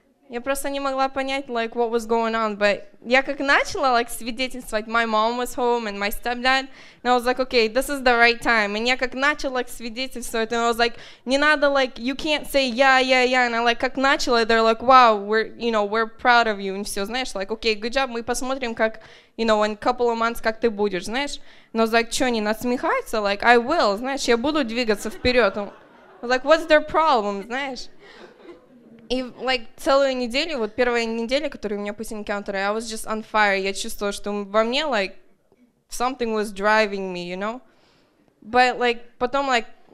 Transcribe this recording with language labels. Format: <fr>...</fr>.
<ru>Я просто не могла понять,</ru> <en>like, what was going on. But</en> <ru>я как начала,</ru> <en>like,</en> <ru>свидетельствовать,</ru> <en>my mom was home and my stepdad. And I was like, okay, this is the right time. And</en> <ru>я как начала,</ru> <en>like,</en> <ru>свидетельствовать,</ru> <en>and I was like,</en> <ru>не надо,</ru> <en>like, you can't say yeah, yeah, yeah. And I, like,</en> <ru>как начала,</ru> <en>they're like, wow, we're, you know, we're proud of you. And</en> <ru>все, знаешь,</ru> <en>like, okay, good job.</en> <ru>Мы посмотрим, как,</ru> <en>you know, in a couple of months,</en> <ru>как ты будешь, знаешь.</ru> <en>And I was like,</en> <ru>что, они насмехаются?</ru> <en>Like, I will,</en> <ru>знаешь, я буду двигаться вперед.</ru> <en>I was like, what's their problem,</en> <ru>знаешь? И, like, целую неделю, вот первая неделя, которая у меня после encounter,</ru> <en>I was just on fire.</en> <ru>Я чувствовала, что во мне,</ru> <en>like, something was driving me, you know? But, like,</en> <ru>потом,</ru> <en>like...</en>